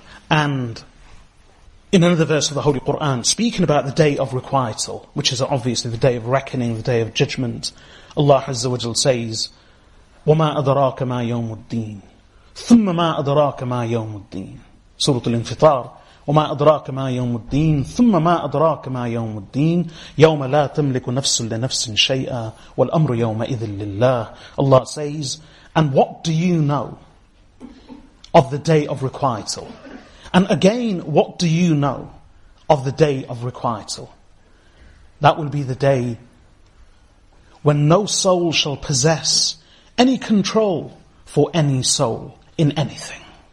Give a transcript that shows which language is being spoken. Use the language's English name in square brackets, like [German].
[English] And in another verse of the Holy Quran, speaking about the day of requital, which is obviously the day of reckoning, the day of judgment, Allah Azza wa Jalla says, [Arabic] وَمَا أَدْرَاكَ مَا يَوْمُ الدِّينِ [English] ثُمَّ مَا أَدْرَاكَ مَا يَوْمُ الدِّينِ. [Arabic] Surah Al-Infitar, وَمَا أَدْرَاكَ مَا يَوْمُ الدِّينِ ثُمَّ مَا أَدْرَاكَ مَا يَوْمُ الدِّينِ يَوْمَ لَا تَمْلِكُ نَفْسٌ لِنَفْسٍ شَيْئًا وَالْأَمْرُ يَوْمَئِذٍ لِلَّهِ. [English] Allah says, and what do you know of the day of requital? And again, what do you know of the day of requital? That will be the day when no soul shall possess any control for any soul in anything.